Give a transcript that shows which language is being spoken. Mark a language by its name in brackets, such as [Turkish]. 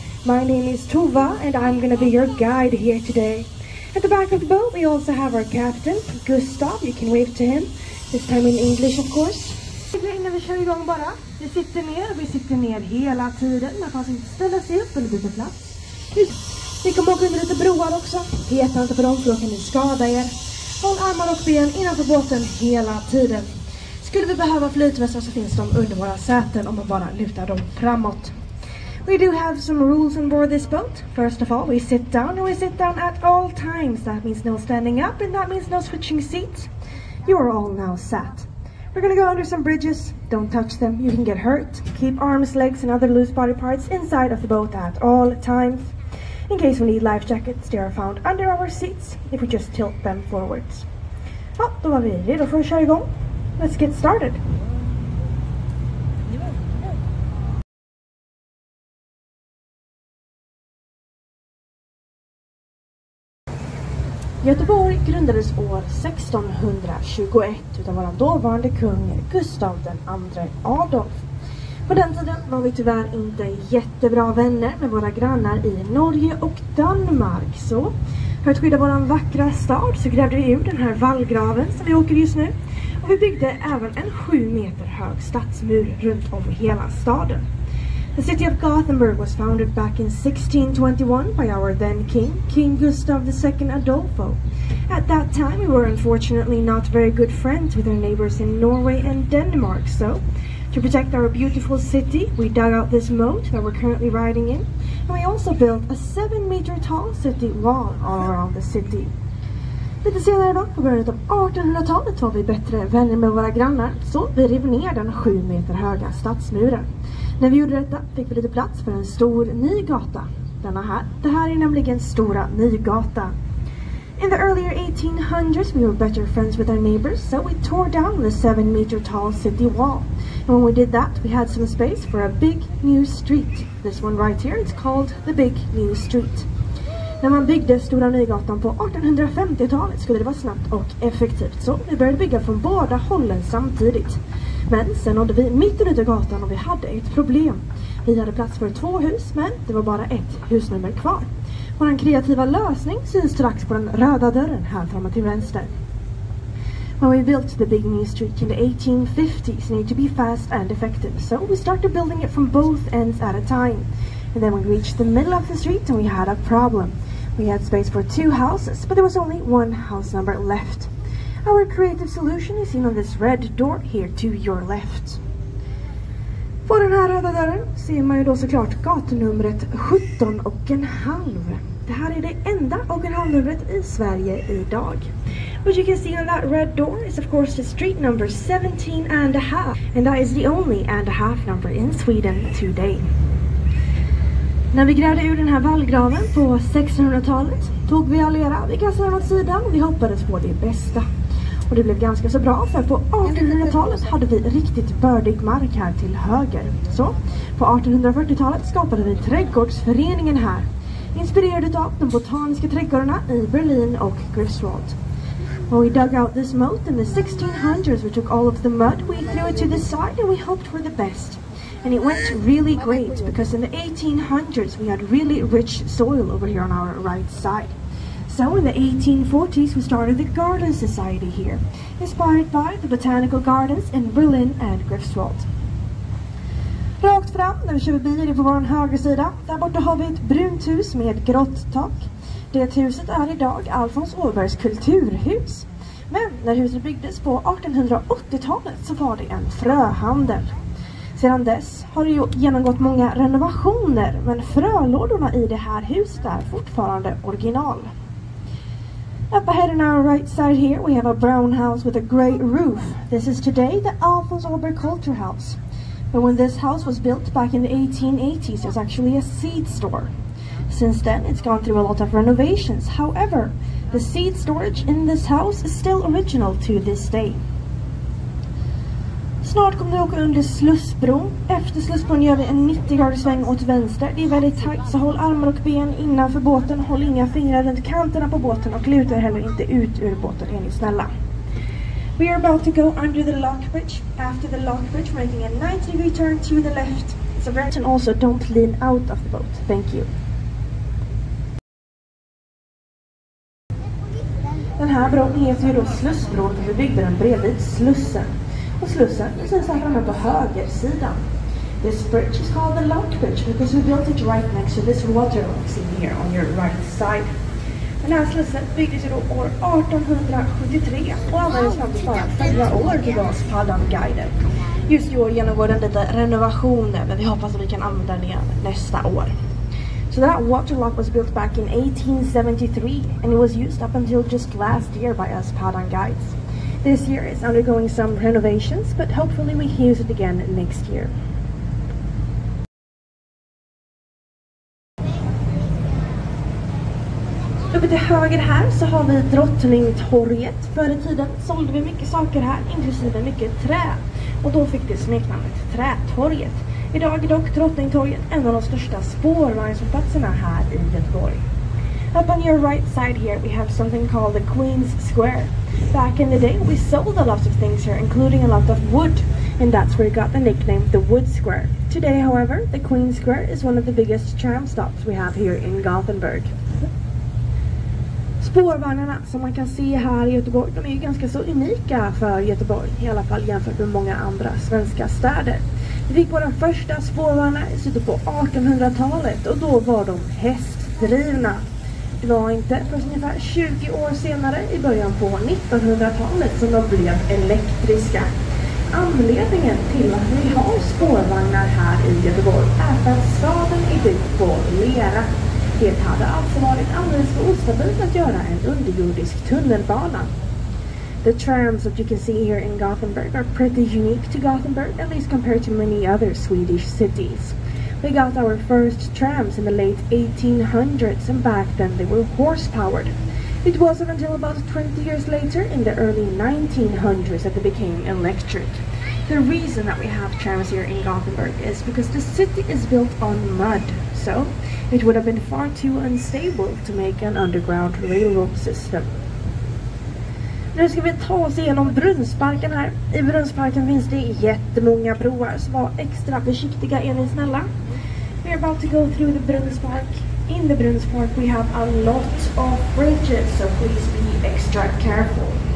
[English] My name is Tova and I'm gonna be your guide here today. At the back of the boat we also have our captain, Gustav. You can wave to him. This time in English of course. [Swedish] Innan vi kör igång bara. Vi sitter ner hela tiden. Man kan inte ställa sig upp eller byta plats. Ni kommer åka under lite broar också. Peta inte på dem för då kan ni skada er. Håll armar och ben innanför båten hela tiden. Skulle vi behöva flytvästar så finns de under våra säten om man bara lutar dem framåt. [English] We do have some rules on board this boat. First of all, we sit down and we sit down at all times. That means no standing up and that means no switching seats. You are all now sat. We're gonna go under some bridges. Don't touch them, you can get hurt. Keep arms, legs and other loose body parts inside of the boat at all times. In case we need life jackets, they are found under our seats if we just tilt them forwards. [Swedish] Ja, då var vi redo för att köra igång. [English] Let's get started. [Swedish] Göteborg grundades år 1621 utav våran dåvarande kung Gustav den andre Adolf. På den tiden var vi tyvärr inte jättebra vänner med våra grannar i Norge och Danmark. Så för att skydda våran vackra stad så grävde vi ur den här vallgraven som vi åker just nu. Och vi byggde även en 7 meter hög stadsmur runt om hela staden. [English] The city of Gothenburg was founded back in 1621 by our then king, King Gustav II Adolfo. At that time, we were unfortunately not very good friends with our neighbors in Norway and Denmark, so to protect our beautiful city, we dug out this moat that we're currently riding in, and we also built a 7 meter tall city wall all around the city. [Swedish] Lite senare då, på början av 1800-talet, var vi bättre vänner med våra grannar, så vi rev ner den 7 meter höga stadsmuren. När vi gjorde detta fick vi lite plats för en stor ny gata. Denna här. Det här är nämligen Stora Nygata. [English] In the earlier 1800s we were better friends with our neighbors, so we tore down the 7 meter tall city wall. And when we did that we had some space for a big new street. This one right here, it's called the Big New Street. [Swedish] När man byggde Stora Nygatan på 1850-talet skulle det vara snabbt och effektivt, så vi började bygga från båda hållen samtidigt. Men sen nådde vi mitten ute i gatan och vi hade ett problem. Vi hade plats för två hus, men det var bara ett husnummer kvar. Vår kreativa lösning syns strax på den röda dörren här framme till vänster. [English] When we built the Big New Street in the 1850s, it needed to be fast and effective, so we started building it from both ends at a time. And then we reached the middle of the street and we had a problem. We had space for two houses, but there was only one house number left. Our creative solution is seen on this red door here to your left. [Swedish] På den här röda dörren ser man ju då såklart gatunumret 17,5. Det här är det enda 1,5-numret i Sverige idag. [English] What you can see on that red door is of course the street number 17,5. And that is the only 1,5 number in Sweden today. [Swedish] När vi grävde ur den här vallgraven på 1600-talet tog vi all era vid kassan åt sidan och vi hoppades på det bästa. Och det blev ganska så bra för på 1800-talet hade vi riktigt bördig mark här till höger. Så på 1840-talet skapade vi trädgårdsföreningen här, inspirerade av de botaniska trädgårdarna i Berlin och Griswold. [English] When we dug out this moat in the 1600s, we took all of the mud, we threw it to the side and we hoped for the best. And it went really great because in the 1800s we had really rich soil over here on our right side. So in the 1840s we started the Garden Society here, inspired by the botanical gardens in Berlin and Griffswald. [Swedish] Rakt fram när vi kör bil är det på vår höger sida. Där borta har vi ett brunt hus med grått tak. Det huset är idag Alfons Åbergs kulturhus. Men när huset byggdes på 1880-talet så var det en fröhandel. Sedan dess har det ju genomgått många renovationer, men frölådorna i det här huset är fortfarande original. [English] Up ahead on our right side here we have a brown house with a grey roof. This is today the Alfons Åberg Culture House. But when this house was built back in the 1880s, it was actually a seed store. Since then it's gone through a lot of renovations. However, the seed storage in this house is still original to this day. [Swedish] Snart kommer du åka under slussbron. Efter slussbron gör vi en 90-gradig sväng åt vänster. Det är väldigt tajt, så håll armar och ben innanför båten. Håll inga fingrar runt kanterna på båten och luta heller inte ut ur båten, är ni snälla. [English] We are about to go under the lock bridge. After the lock bridge, making a 90-degree turn to the left. It's a right. And also, don't lean out of the boat. Thank you. [Swedish] Den här bron heter ju då slussbron, för vi byggde den bredvid slussen. Och slussen, så är det här på höger sidan. [English] This bridge is called the lock bridge because we built it right next to this water locks in here on your right side. [Swedish] Den här slussen byggdes då år 1873 och användes fram till bara 4 år till oss paddan guider. Just i år genomgår den lite renovationer, men vi hoppas att vi kan använda den igen nästa år. [English] So that water lock was built back in 1873 and it was used up until just last year by us paddan guides. This year is undergoing some renovations, but hopefully we can use it again next year. [Swedish] Uppe till höger här så har vi Drottningtorget. Förr i tiden sålde vi mycket saker här, inklusive mycket trä. Och då fick det smeknamnet Trätorget. Idag är dock Drottningtorget en av de största spårvagnsplatserna här i Göteborg. [English] Up on your right side here we have something called the Queen's Square. Back in the day we sold a lot of things here, including a lot of wood, and that's where we got the nickname the Wood Square. Today, however, the Queen's Square is one of the biggest tram stops we have here in Gothenburg. [Swedish] Spårvagnarna som man kan se här i Göteborg, de är ju ganska så unika för Göteborg, i alla fall jämfört med många andra svenska städer. Vi fick våra första spårvagnar i slutet på 1800-talet och då var de hästdrivna. Det var inte förrän ungefär 20 år senare, i början på 1900-talet, som de blev elektriska. Anledningen till att vi har spårvagnar här i Göteborg är för att staden är byggd på lera. Det hade alltså varit alldeles för ostabilt att göra en underjordisk tunnelbana. [English] The trams that you can see here in Gothenburg are pretty unique to Gothenburg, at least compared to many other Swedish cities. We got our first trams in the late 1800s, and back then they were horse-powered. It wasn't until about 20 years later, in the early 1900s, that they became electric. The reason that we have trams here in Gothenburg is because the city is built on mud, so it would have been far too unstable to make an underground railroad system. [Swedish] Nu ska vi ta oss igenom Brunnsparken här. I Brunnsparken finns det jättemånga broar, så var extra försiktiga, är ni snälla. [English] We're about to go through the Brunnspark. In the Brunnspark we have a lot of bridges, so please be extra careful.